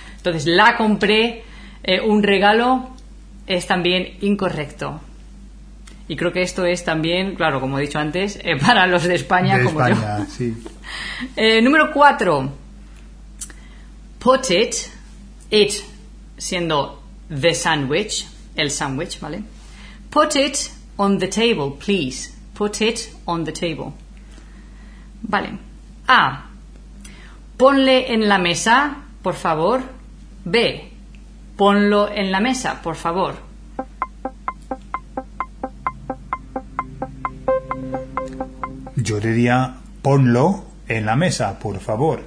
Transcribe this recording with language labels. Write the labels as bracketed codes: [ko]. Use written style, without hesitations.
[es] Entonces, la compré un regalo es también incorrecto. Y creo que esto es también, claro, como he dicho antes, para los de España, de como España, yo. De España, sí. Número 4. [en] Put it, it [es] siendo [en] the sandwich, [es] el sandwich, ¿vale? [en] Put it on the table, please. Put it on the table. [es] Vale. [en] A. [es] Ponle en la mesa, por favor. B. Ponlo en la mesa, por favor. Yo diría, ponlo en la mesa, por favor.